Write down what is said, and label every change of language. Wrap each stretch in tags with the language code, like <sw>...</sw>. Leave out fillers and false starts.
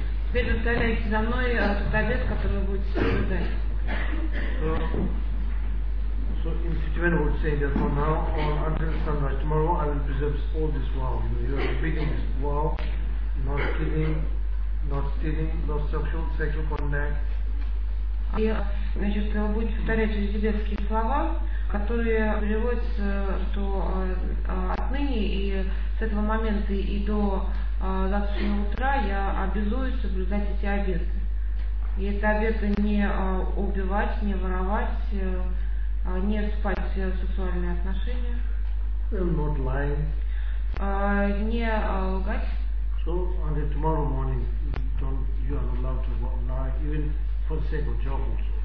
<ru>Теперь повторяйте за мной тот обет, который вы будете соблюдать.</ru> <en>So, in between I would say that from now on until sunrise tomorrow I will preserve all this vow. You know, you are repeating this vow, not killing, not stealing, not sexual contact.</en> <ru>И, значит, вы будете повторять эти тибетские слова, которые приводятся, что отныне и с этого момента и до завтрашнего утра я обязуюсь соблюдать эти обеты. И это обеты не убивать, не воровать, не спать в сексуальные отношения.</ru> <en>Well, not lying.</en> <ru>Не лгать.</ru> <en>So, and tomorrow morning, you are not allowed to lie, even for the sake of job also.</en>